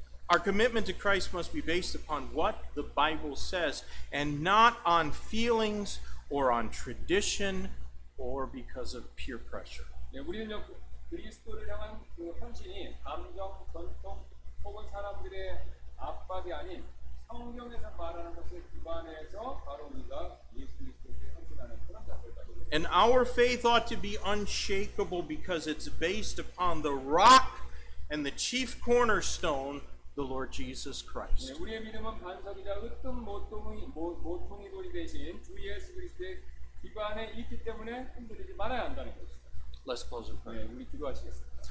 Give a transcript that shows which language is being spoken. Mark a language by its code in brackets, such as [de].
[en] Our commitment to Christ must be based upon what the Bible says and not on feelings or on tradition or because of peer pressure. [ko] 그리스도를 향한 그 헌신이 감정, 전통, 혹은 사람들의 압박이 아닌 성경에서 말하는 것을 기반해서 바로 우리가 예수 그리스도께 헌신하는 그런 자세가 되죠. [en] And our faith ought to be unshakable because it's based upon the rock and the chief cornerstone, the Lord Jesus Christ. [ko] 네, 우리의 믿음은 반석이자 으뜸 모퉁이 돌이 되신 주 예수 그리스도의 기반에 있기 때문에 흔들리지 말아야 한다는 것입니다. [en] Let's close in prayer. [ko] 네, 우리 기도하시겠습니다.